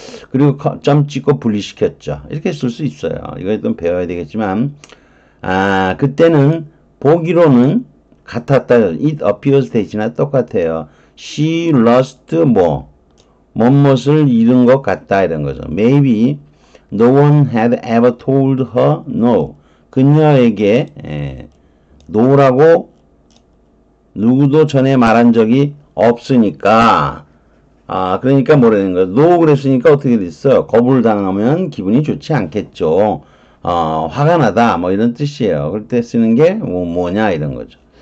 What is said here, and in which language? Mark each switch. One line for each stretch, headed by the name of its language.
Korean: 그리고 점 찍고 분리시켰죠. 이렇게 쓸수 있어요. 이거 좀 배워야 되겠지만 그때는 보기로는 같았다.
English: It appears
Korean: 대신에 똑같아요.
English: She lost
Korean: 뭐. 뭣뭣을 잃은 것 같다 이런 거죠.
English: Maybe no one had ever told her no.
Korean: 그녀에게 no라고 누구도 전에 말한 적이 없으니까 그러니까 뭐라는 거야. No 그랬으니까 어떻게 됐어요? 거부를 당하면 기분이 좋지 않겠죠. 화가 나다 뭐 이런 뜻이에요. 그럴 때 쓰는 게 뭐냐 이런 거죠.